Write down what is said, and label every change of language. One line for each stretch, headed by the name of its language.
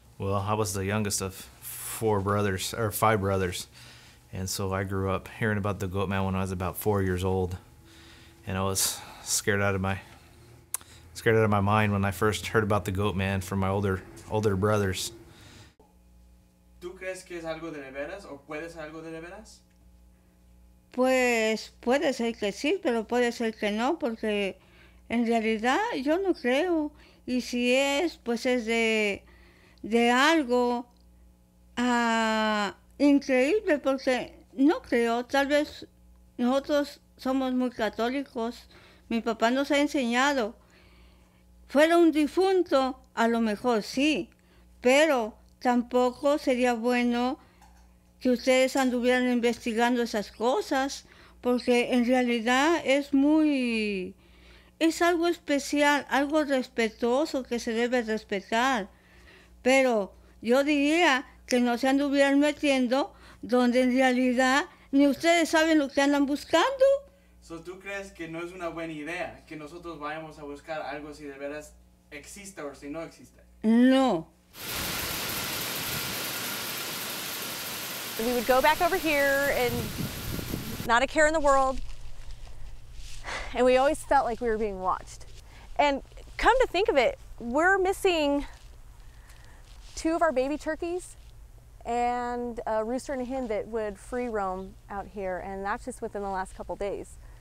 English: Well, I was the youngest of five brothers. And so I grew up hearing about the Goatman when I was about 4 years old. And I was scared out of my mind when I first heard about the Goatman from my older brothers.
Spanish: ¿Tú crees que es algo de veras o puede ser algo de veras? Pues puede ser que sí, pero puede ser que no, porque en realidad yo no creo. Y si es, pues es de algo increíble, porque no creo, tal vez nosotros somos muy católicos, mi papá nos ha enseñado, fuera un difunto, a lo mejor sí, pero tampoco sería bueno que ustedes anduvieran investigando esas cosas, porque en realidad es algo especial, algo respetuoso que se debe respetar, pero yo diría que no se anduvieran metiendo donde en realidad ni ustedes saben lo que andan buscando. So, ¿tú crees que no es una buena idea que nosotros vayamos a buscar algo si de veras existe o si no existe? No.
English: We would go back over here and not a care in the world. And we always felt like we were being watched. And come to think of it, we're missing two of our baby turkeys and a rooster and a hen that would free roam out here, and that's just within the last couple days.